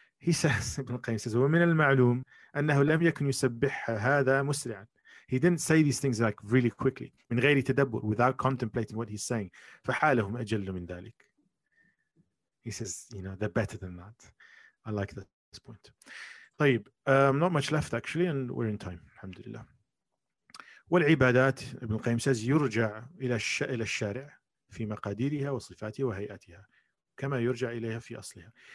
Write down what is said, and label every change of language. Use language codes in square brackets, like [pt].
[en] He says, Ibn Qayyim says, [ar] وَمِنَ الْمَعْلُومِ أَنَّهُ لَمْ يَكُنْ يُسَبِّحَ هَذَا مُسْرِعًا. [en] He didn't say these things like really quickly, [ar] من غير تدبر, [en] without contemplating what he's saying. [ar] فَحَالَهُمْ أَجَلُّ مِنْ ذَلِكَ. [en] He says, you know, they're better than that. I like that, this point. [ar] طيب, [en] not much left actually, and we're in time, alhamdulillah. [ar] والعبادات, [en] Ibn Qayyim says, [ar] يرجع إلى الشارع في مقاديرها وصفاتها وهيئتها كما يرجع إليها في أصلها.